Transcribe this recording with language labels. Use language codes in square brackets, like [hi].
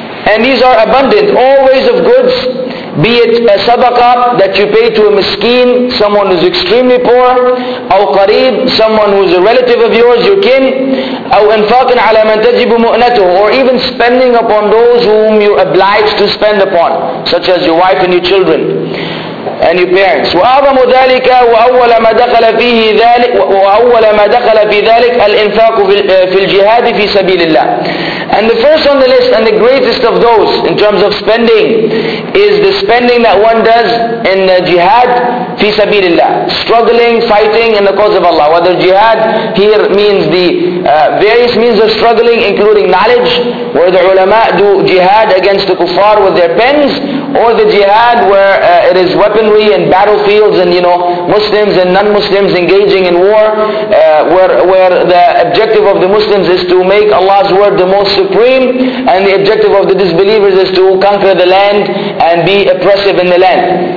[en] and these are abundant, all ways of goods, be it a sadaqah that you pay to a miskeen, someone who is extremely poor, or qareeb, someone who is a relative of yours, your kin, or [ar] infaqin ala man tajibu mu'natuhu, [en] or even spending upon those whom you're obliged to spend upon, such as your wife and your children and your parents. [ar] وأعظم ذلك وأول ما دخل فيه ذلك وأول ما دخل في ذلك الإنفاق في الجهاد في سبيل الله. [en] And the first on the list and the greatest of those in terms of spending is the spending that one does in the jihad [ar] في سبيل الله, [en] struggling, fighting in the cause of Allah. Whether jihad here means the various means of struggling, including knowledge, where the ulama do jihad against the kuffar with their pens, or the jihad where it is weaponry and battlefields, and you know, Muslims and non-Muslims engaging in war, where the objective of the Muslims is to make Allah's word the most supreme, and the objective of the disbelievers is to conquer the land and be oppressive in the land.